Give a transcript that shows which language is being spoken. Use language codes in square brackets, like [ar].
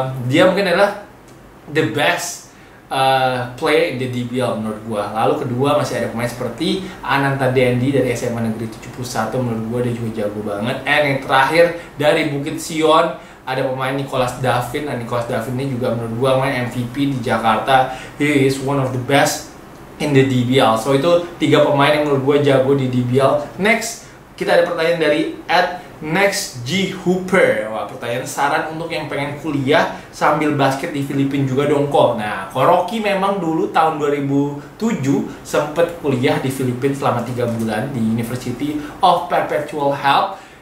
[id] Dia mungkin adalah [en] the best player in the DBL [id] menurut gua. Lalu kedua masih ada pemain seperti Ananta Dendi dari SMA Negeri 71, menurut gua dia juga jago banget. And yang terakhir dari Bukit Sion ada pemain Nicholas Davin. Nah, Nicholas Davin ini juga menurut gua main MVP di Jakarta. [en] He is one of the best in the DBL. [id] So itu 3 pemain yang menurut gua jago di DBL. Next, kita ada pertanyaan dari @nextghooper. Wah, pertanyaan saran untuk yang pengen kuliah sambil basket di Filipina juga dong kok. Nah, kok Rocky memang dulu tahun 2007 sempat kuliah di Filipina selama 3 bulan di University of Perpetual Help.